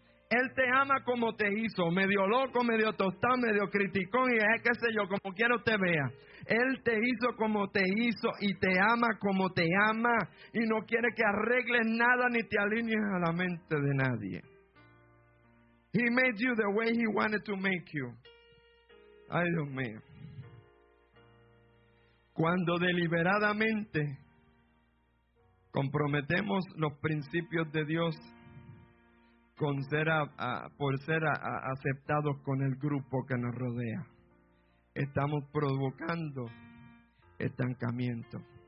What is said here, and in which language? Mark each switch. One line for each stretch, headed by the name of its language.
Spanish: Él te ama como te hizo, medio loco, medio tostado, medio criticón, y es qué sé yo, como quiero te vea. Él te hizo como te hizo y te ama como te ama y no quiere que arregles nada ni te alinees a la mente de nadie.
English: He made you the way He wanted to make you.
Spanish: Ay, Dios mío. Cuando deliberadamente comprometemos los principios de Dios por ser aceptados con el grupo que nos rodea, estamos provocando estancamiento.